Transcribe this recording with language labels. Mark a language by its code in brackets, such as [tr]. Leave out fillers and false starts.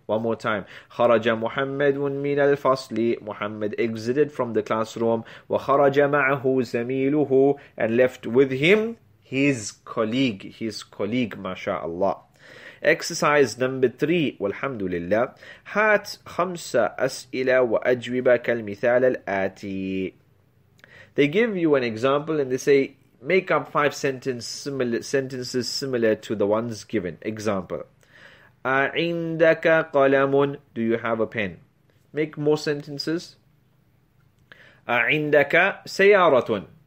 [en] One more time. [ar] خرج محمد من الفصل. [en] Muhammad exited from the classroom. [ar] وخرج معه زميله. [en] And left with him his colleague, mashallah. Exercise number three, [ar] والحمد لله. هات خمسة أسئلة وأجوبة كالمثال الآتي. [en] They give you an example and they say, make up five sentences similar to the ones given. Example. [ar] أعندك قلم. [en] Do you have a pen? Make more sentences. [ar] أعندك سيارة.